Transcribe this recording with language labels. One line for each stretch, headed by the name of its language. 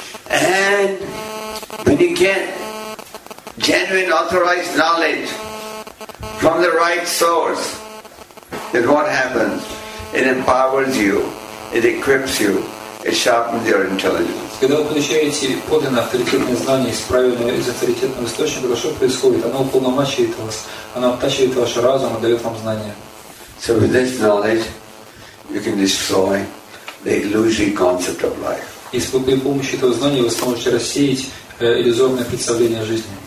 English: And when you get genuine authorized knowledge from the right source, then what happens? It empowers you, it equips you, it sharpens your intelligence.
Russian: Когда вы получаете подлинное авторитетное знание из правильного, из авторитетного источника, то что происходит? Оно уполномочивает вас, оно оттачивает ваш разум и дает вам знания.
English: So with this knowledge, you can destroy the illusory concept of life.
Russian: И с помощью этого знания вы сможете рассеять иллюзорное представление о жизни.